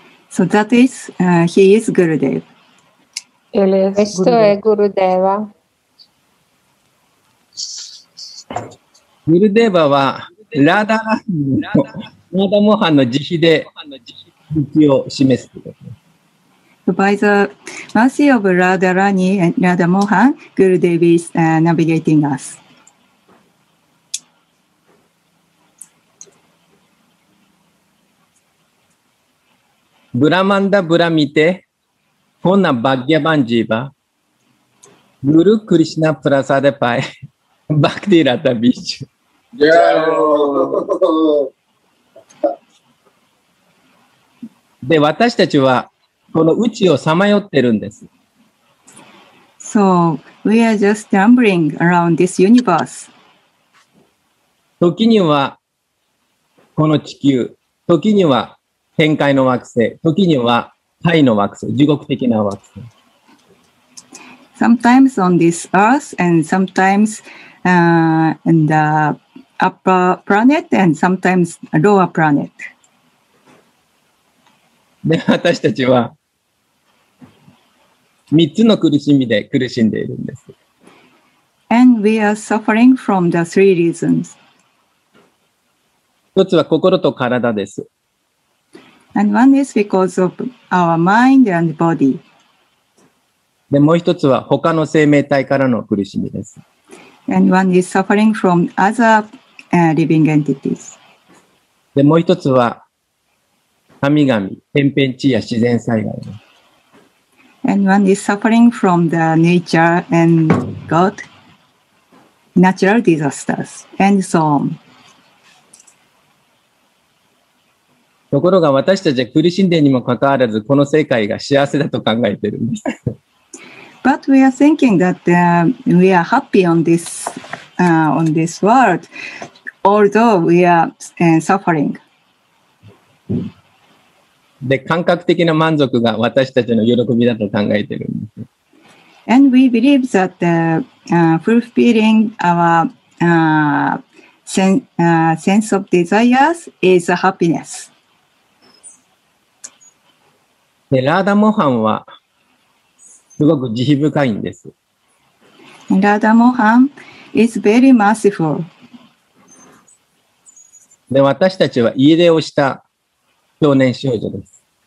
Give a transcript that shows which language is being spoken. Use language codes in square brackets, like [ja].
[en] So that is, he is Gurudev. [es] Él es Gurudev. [ja] グルデーバはラダハンの、ラダモハンの慈悲で道を示す。 [en] By the mercy of Radharani and Radha Mohan, Gurudev is navigating us. [sa] ブラマンダブラミテフォナバッギャバンジーバグルクリシナプラサデパイバクティラタビッシュ。ジャロ [ja] で、私たちはこの宇宙をさまよってるんです。 [en] So, we are just tumbling around this universe. [ja] 時にはこの地球、時には天界の惑星、時には海の惑星、地獄的な惑星。 [en] Sometimes on this earth, and sometimes in the upper planet, and sometimes lower planet. [ja] で、私たちは三つの苦しみで苦しんでいるんです。 [en] And we are suffering from the three reasons. [ja] 一つは心と体です。 [en] And one is because of our mind and body. [ja] で、もう一つは他の生命体からの苦しみです。 [en] And one is suffering from other living entities. [ja] で、もう一つは神々、天変地異や自然災害。 [en] Anyone is suffering from the nature and God, natural disasters, and so on. [ja] ところが私たちは苦しんでにもかかわらずこの世界が幸せだと考えているんです。 [en] But we are thinking that、we are happy on this,、on this world, although we are、suffering. [ja] で、感覚的な満足が私たちの喜びだと考えているんです。 [en] And we believe that the, fulfilling our、sense of desires is a happiness. [ja] でラーダモハンはすごく慈悲深いんです。 [en] ラーダモハン is very merciful. [ja] で私たちは家出をした少年少女です。